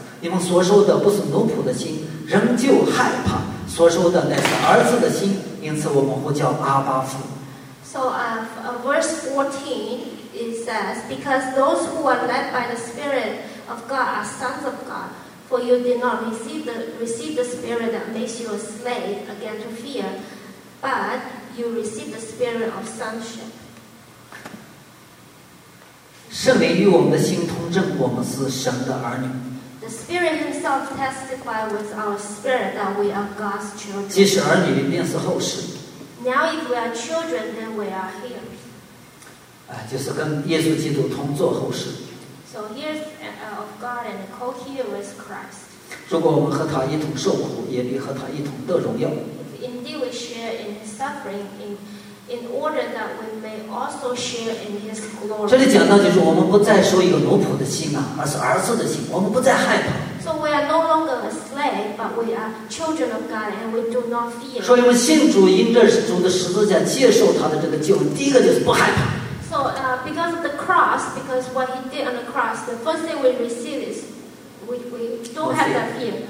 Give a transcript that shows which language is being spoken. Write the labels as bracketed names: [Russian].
[Chinese] 你们所受的不是奴仆的心，仍旧害怕；所受的乃是儿子的心，因此我们呼叫阿巴父。 [English] So verse 14 it says, because those who are led by the Spirit of God are sons of God. For you did not receive the Spirit that makes you a slave again to fear. But you receive the spirit of sonship. [Chinese] 圣灵与我们的心通证，我们是神的儿女。 [English] The spirit himself testifies with our spirit that we are God's children. [Chinese] 既是儿女，便是后世。 [English] Now if we are children, then we are heirs. [Chinese] 就是跟耶稣基督同作后世。 [English] So heirs of God and co-heirs with Christ. [Chinese] 如果我们和他一同受苦，也必和他一同得荣耀。 [English] Indeed, we share in his suffering, in order that we may also share in his glory. [Chinese] 这里讲到就是我们不再受一个奴仆的心啊，而是儿子的心。我们不再害怕。 [English] So we are no longer a slave, but we are children of God, and we do not fear. [Chinese] 所以我们信主，因着主的十字架接受他的这个救恩，第一个就是不害怕。 [English] So because of the cross, because what he did on the cross, the first thing we receive is we don't have that fear.